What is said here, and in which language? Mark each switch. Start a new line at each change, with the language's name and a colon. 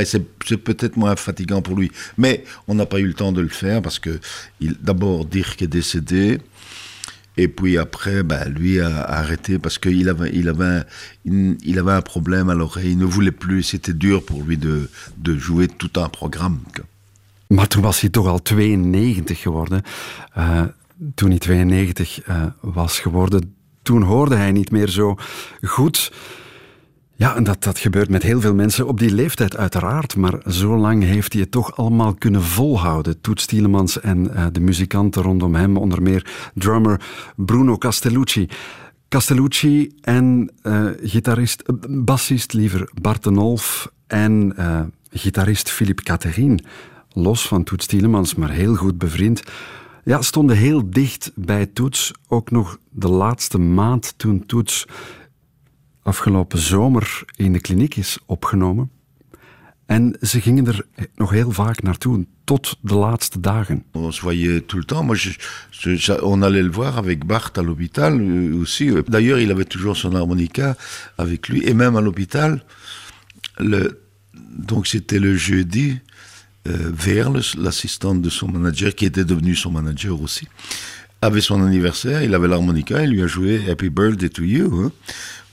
French: Et c'est peut-être moins fatigant pour lui. Mais on n'a pas eu le temps de le faire parce que d'abord Dirk est décédé. Et puis après, ben, lui a arrêté parce qu'il avait, il avait un problème à l'oreille. Il ne voulait plus. C'était dur pour lui de jouer tout un programme.
Dutch: Maar toen was hij toch al 92 geworden. Toen hij 92 was geworden, toen hoorde hij niet meer zo goed. Ja, en dat gebeurt met heel veel mensen op die leeftijd uiteraard. Maar zo lang heeft hij het toch allemaal kunnen volhouden. Toots Thielemans en de muzikanten rondom hem, onder meer drummer Bruno Castellucci. Castellucci en gitarist, bassist liever Bart de Nolf en gitarist Philippe Catherine, los van Toets Tielemans, maar heel goed bevriend, ja, stonden heel dicht bij Toets. Ook nog de laatste maand toen Toets afgelopen zomer in de kliniek is opgenomen. En ze gingen er nog heel vaak naartoe, tot de laatste dagen.
French: On se voyait tout le temps. Moi, on allait le voir avec Bart à l'hôpital aussi. D'ailleurs, il avait toujours son harmonica avec lui. Et même à l'hôpital, donc c'était le jeudi, Verle, l'assistante de son manager, qui était devenu son manager aussi, avait son anniversaire, il avait l'harmonica, il lui a joué «
English: Happy birthday to you
French: hein. ».